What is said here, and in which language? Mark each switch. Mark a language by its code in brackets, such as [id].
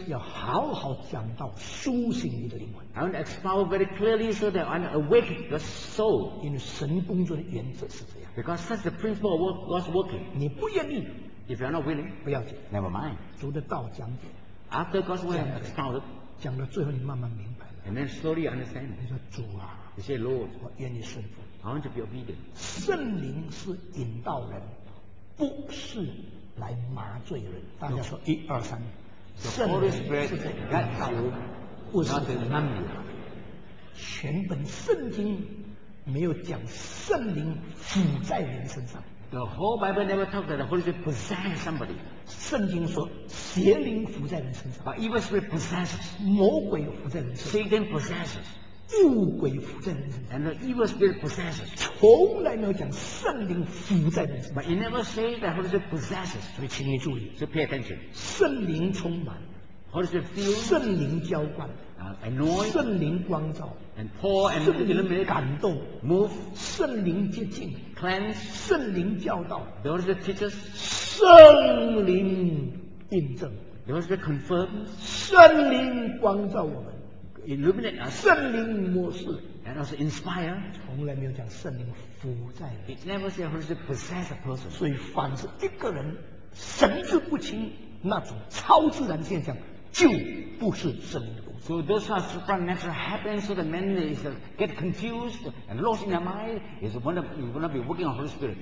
[zh] 要好好讲到苏醒你的灵魂 [en] ，I want to expound very clearly so that I want to awaken your soul. [zh] 因为神工作的原则是这样 [en] ，because that's the principle of what God's working. [zh] 你不愿意。 [en] If you're not willing, [zh] 不要紧 [en] Never mind. [zh] 主的道讲解 [en] After God's word expounded, [zh] 讲到最后你慢慢明白了 [en] And then slowly you understand. [zh] 你说主啊 [en] You say, Lord, [zh] 我愿意顺服 [en] I want to be obedient. [zh] 圣灵是引导人，不是来麻醉人。大家说一二三。圣灵是引导人，不是来麻醉人。全本圣经没有讲圣灵附在人身上。 [en] The whole Bible never talks that the Holy Spirit possesses somebody. [zh] 圣经说邪灵附在人身上 [en] But evil spirit possesses. [zh] 魔鬼附在人身上 [en] Satan possesses. [zh] 诱鬼附在人身上 [en] And the evil spirit possesses. [zh] 从来没有讲圣灵附在人身上 [en] But it never says that Holy Spirit possesses. [zh] 所以请你注意 [en] So pay attention. [zh] 圣灵充满 [en] Holy Spirit fills. [zh] 圣灵浇灌 [en] Anoint. [zh] 圣灵光照 [en] And pour and illuminate. [zh] 感动 [en] Move. [zh] 圣灵洁净圣灵教导 [en] the Holy Spirit teaches, [zh] 圣灵印证 [en] the Holy Spirit confirms, [zh] 圣灵光照我们 [en] illuminate us, [zh] 圣灵模式 [en] and also inspire, [zh] 从来没有讲圣灵附在 [en] it never said Holy Spirit possess a person [zh] 所以凡是一个人神志不清那种超自然现象就不是圣灵的工作 [en] so those are supernatural happens so the man is get confused and lost in their mind is wanna be working on Holy Spirit